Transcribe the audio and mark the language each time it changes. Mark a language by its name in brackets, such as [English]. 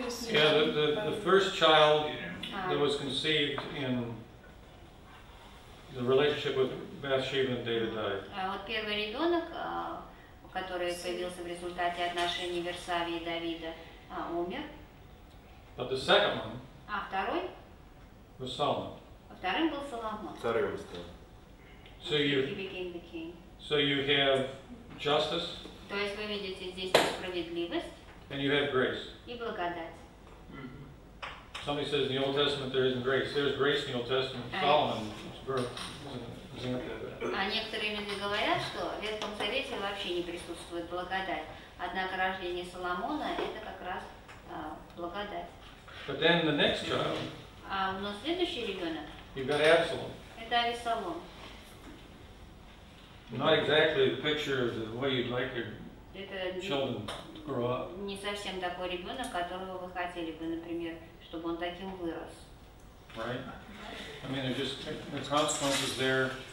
[English] Yeah, the first child that was conceived in the relationship with Bathsheba and David died. [Russian] А вот первый ребенок, который появился в результате отношений Версавии и Давида, умер. [English] But the second one. [Russian] А второй? [English] Was Solomon. [Russian] Вторым был Соломон. Вторым стал. [English] So you have justice. [Russian] То есть вы видите здесь справедливость. [English] And you have grace. [Russian] И благодать. Mm-hmm. [English] Somebody says in the Old Testament there isn't grace. There's grace in the Old Testament. Solomon's birth is an example of that. [Russian] А некоторые люди говорят, что в Ветхом Завете вообще не присутствует благодать. Однако рождение Соломона это как раз благодать. [English] But then the next child. [Russian] А у нас следующий ребенок. [English] You've got Absalom. [Russian] Это Авессалом. [English] Not exactly the picture of the way you'd like your children to grow up. [Russian] Не совсем такой ребенок, которого вы хотели бы, например, чтобы он таким вырос. [English] Right. I mean, there's just the consequences there.